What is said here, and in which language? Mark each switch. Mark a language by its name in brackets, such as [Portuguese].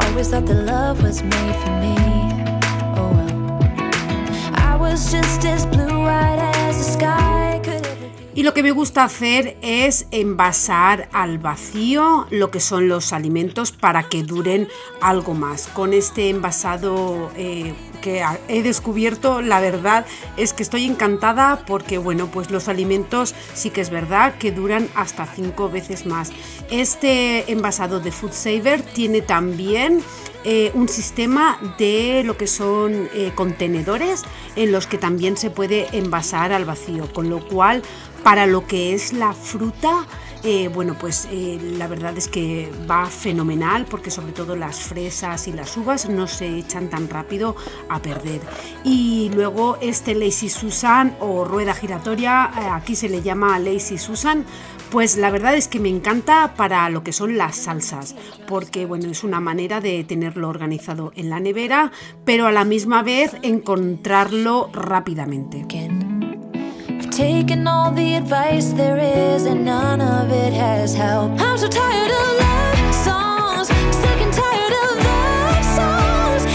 [English] Thought the love was made for me. Oh well. I was just as blue-eyed as the sky could ever be. [Spanish] Y lo que me gusta hacer es envasar al vacío lo que son los alimentos para que duren algo más. Con este envasado que he descubierto, la verdad es que estoy encantada porque, bueno, pues los alimentos sí que es verdad que duran hasta 5 veces más. Este envasado de Food Saver tiene también un sistema de lo que son contenedores en los que también se puede envasar al vacío, con lo cual para lo que es la fruta, bueno, pues la verdad es que va fenomenal, porque sobre todo las fresas y las uvas no se echan tan rápido a perder. Y luego este Lazy Susan o rueda giratoria, aquí se le llama Lazy Susan, pues la verdad es que me encanta para lo que son las salsas, porque bueno, es una manera de tenerlo organizado en la nevera, pero a la misma vez encontrarlo rápidamente. [English] Taking all the advice there is and none of it has helped. I'm so tired of love songs, sick and tired of love songs.